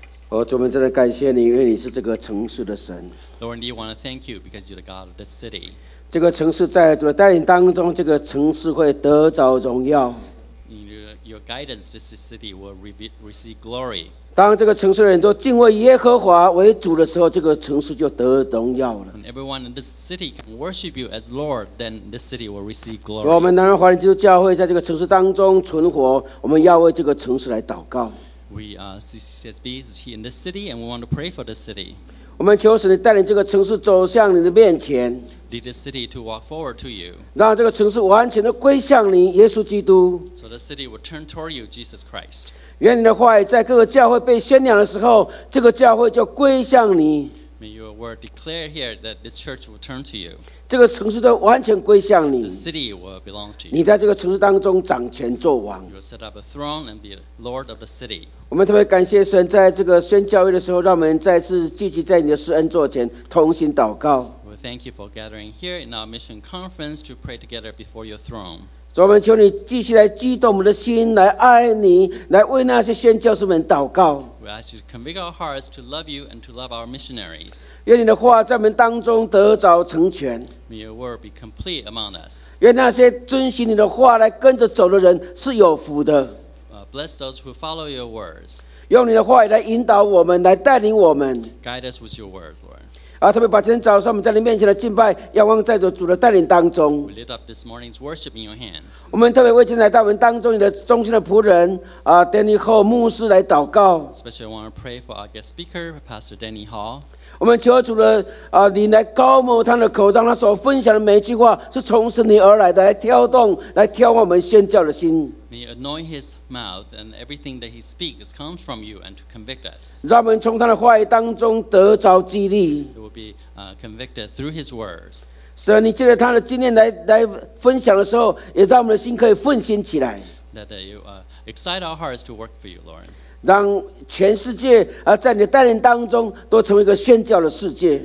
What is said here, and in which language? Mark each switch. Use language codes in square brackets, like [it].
[en] Lord, we want to thank you because you're the God of this city. Lord, we want to thank you because you're the God of this city. [zh] 这个城市在主的带领当中，这个城市会得着荣耀。 [en] your guidance, this city will receive glory. [zh] 当这个城市的人都敬畏耶和华为主的时候，这个城市就得荣耀了。 [en] When everyone in this city can worship you as Lord, then this city will receive glory. [zh] 所以我们南仁华人基督教会在这个城市当中存活，我们要为这个城市来祷告。 [en] We are CCSB in this city, and we want to pray for this city. [zh] 我们求神带领这个城市走向你的面前。 [en] Lead the city to walk forward to you. [zh] 让这个城市完全的归向你，耶稣基督。 [en] So the city will turn toward you, Jesus Christ. [zh] 愿你的话语在各个教会被宣扬的时候，这个教会就归向你。 [en] May your word declare here that this church will turn to you. [zh] 这个城市都完全归向你。 [en] The city will belong to you. [zh] 你在这个城市当中掌权作王。 [en] You will set up a throne and be lord of the city. [zh] 我们特别感谢神，在这个宣教会的时候，让我们再次聚集在你的施恩座前，同心祷告。 [en] We thank you for gathering here in our mission conference to pray together before your throne. [zh] 主，我们求你继续来激动我们的心，来爱你，来为那些宣教士们祷告。 [en] We ask you to convict our hearts to love you and to love our missionaries. [zh] 愿你的话在我们当中得着成全。 [en] May your word be complete among us. [zh] 愿那些遵循你的话来跟着走的人是有福的。 [en] Bless those who follow your words. [zh] 用你的话来引导我们，来带领我们。 [en] Guide us with your word, Lord. [zh] 特别把今天早上我们在你面前的敬拜仰望在主的带领当中。 [en] We lift up this morning's worship in your hands. [zh] 我们特别为今天来到我们当中你的忠心的仆人Danny Hall牧师来祷告。 [en] Especially I want to pray for our guest speaker, Pastor Danny Hall. [zh] 我们求主的你来高牧他的口，让他所分享的每一句话是从神你而来的，来挑动，来挑我们宣教的心。 [en] May you anoint his mouth and everything that he speaks comes from you and to convict us. [zh] 让我们从他的话语当中得着激励。 [en] It will be convicted through his words. [zh] 所以你借着他的经验来分享的时候，也让我们的心可以奋兴起来。 [en] That you excite our hearts to work for you, Lord. [zh] 让全世界在你的带领当中都成为一个宣教的世界。